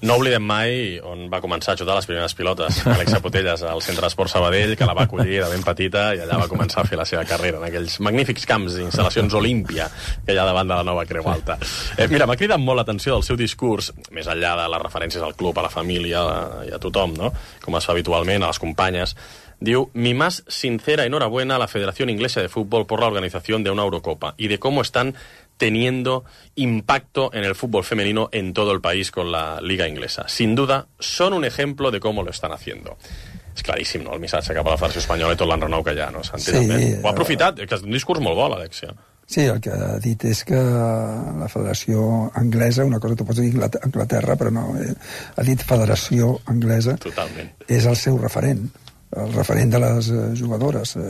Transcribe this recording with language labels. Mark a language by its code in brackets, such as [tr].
[ca] No oblidem mai on va començar a xutar les primeres pilotes, Alexia Putellas, al Centre d'Esport Sabadell, que la va acollir de ben petita, i allà va començar a fer la seva carrera, en aquells magnífics camps d'instal·lacions Olímpia, que hi ha davant de la nova Creu Alta. Mira, m'ha cridat molt l'atenció del seu discurs, més enllà de les referències al club, a la família i a tothom, no?, com es fa habitualment, a les companyes. [es] Diu, mi más sincera enhorabuena a la Federación Inglesa de Fútbol por la organización de una Eurocopa y de cómo están teniendo impacto en el fútbol femenino en todo el país con la liga inglesa. Sin duda, son un ejemplo de cómo lo están haciendo. [ca] És claríssim, no?, el missatge cap a la Federació Espanyola i tot l'enrenou que hi ha, no?, Santi, sí, també. Ho ha aprofitat, que és un discurs molt bo, l'Alexia. Sí, el que ha dit és que la Federació Anglesa, una cosa t'ho pots dir Anglaterra, però no, ha dit Federació Anglesa. Totalment. És el seu referent, el referent de les jugadores.